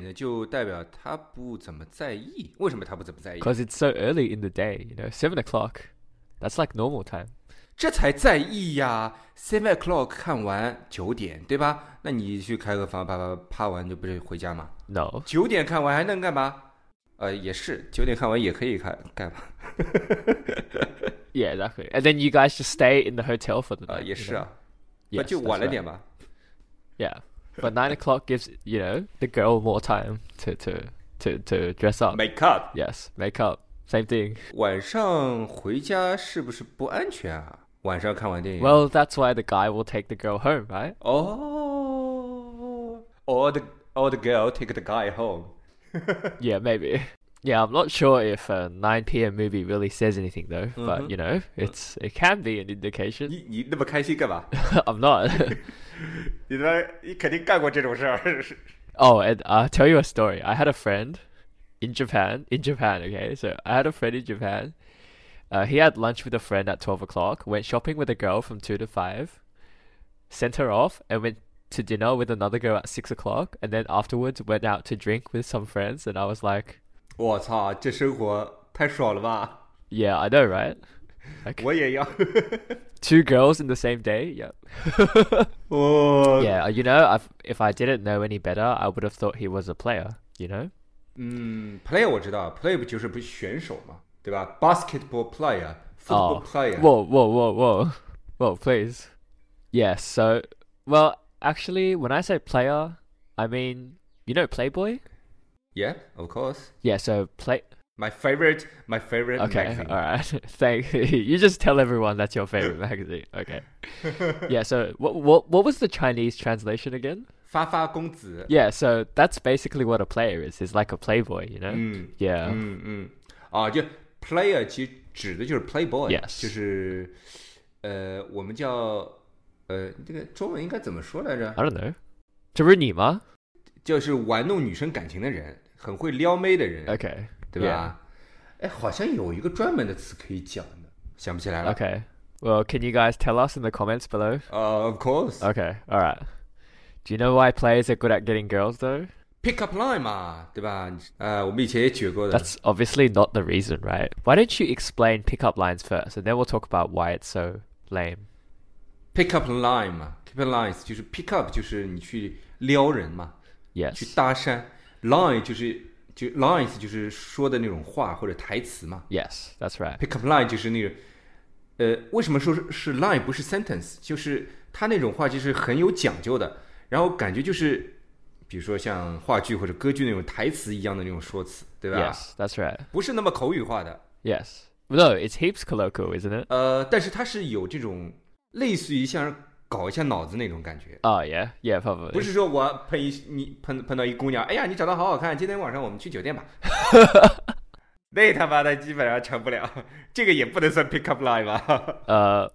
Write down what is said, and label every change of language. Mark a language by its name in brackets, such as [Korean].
[Chinese] 是不是选7点的就代表他不怎么在意? 为什么他不怎么在意? [English] Because it's so early in the day, you know, 7 o'clock, that's like normal time. [Chinese] 这才在意呀 [English] 7 o'clock [Chinese] 看完 9点 对吧 那你去开个房啪完就不是回家吗 [English] No [Chinese] 9点看完还能干嘛 也是 9点看完也可以干嘛 [English] Yeah, that could. And then you guys just stay in the hotel for the night [Chinese] 也是啊 [English] Yes, [Chinese] 就晚了点吧 [English] right. Yeah. But 9 o'clock gives, you know, the girl more time to dress up. Make up. Yes, make up. Same thing. 晚上回家是不是不安全啊 晚上看完电影 Well, that's why the guy will take the girl home, right? Oh, or the girl take the guy home. Yeah, maybe. Yeah, I'm not sure if a 9pm movie really says anything though, but mm-hmm. you know, it can be an indication. [Chinese] 你那么开心干嘛? [English] I'm not. [Chinese] 你肯定干过这种事儿 [English] Oh, and I'll tell you a story. I had a friend in Japan, okay? So I had a friend in Japan. He had lunch with a friend at 12 o'clock, went shopping with a girl from 2 to 5, sent her off, and went to dinner with another girl at 6 o'clock, and then afterwards went out to drink with some friends, and I was like... [Chinese] 我操,这生活太爽了吧? [English] Yeah, I know, right? Like, [Chinese] 我也要... [English] two girls in the same day? Yep. oh. Yeah, you know, if I didn't know any better, I would have thought he was a player, you know? [Chinese] Player我知道, player不就是不选手吗? 对吧? [English] Basketball player, football player. Whoa, please. Yes, so, well, actually, when I say player, I mean, you know Playboy? Yeah, of course. Yeah, so play... My favorite okay, magazine. Okay, alright, thank you. You just tell everyone that's your favorite magazine, okay. Yeah, so, what was the Chinese translation again? 发发公子. Yeah, so, that's basically what a player is. It's like a Playboy, you know? Yeah. [Chinese] Player 其实指的就是 Playboy [English] Yes [Chinese] 就是我们叫 这个中文应该怎么说来着 [English] I don't know [Chinese] 这不是你吗就是玩弄女生感情的人 很会撩妹的人 [English] OK [Chinese] 对吧 [English] yeah. [Chinese] 好像有一个专门的词可以讲的 想不起来了 [English] OK Well can you guys tell us in the comments below Of course OK alright Do you know why players are good at getting girls though [Chinese] Pick up line 嘛, 对吧? 我们以前也举过的。 [English] That's obviously not the reason, right? Why don't you explain pick up lines first, and then we'll talk about why it's so lame. [Chinese] Pick up line 嘛, [English] pick up [Chinese] lines 就是 pick up 就是你去撩人 嘛, [English] yes. [Chinese] 去搭讪, line 就是 lines 就是说的那种话, 或者台词 嘛, [English] yes, that's right. [Chinese] Pick up line 就是那种, 为什么说是 line 不是 sentence, 就是他那种话就是很有讲究的, 然后感觉就是, 比如说像话剧或者歌剧那种台词一样的那种说辞, 对吧? [English] Yes, that's right. [Chinese] 不是那么口语化的。 [English] Yes. No, it's heaps colloquial, isn't it? [Chinese] 但是它是有这种类似于像搞一下脑子那种感觉。 [English] Oh, yeah. Yeah, probably. [Chinese] 不是说我碰到一姑娘, 哎呀,你长得好好看, 今天晚上我们去酒店吧。那他妈的基本上成不了, 这个也不能算 pick up line 吧。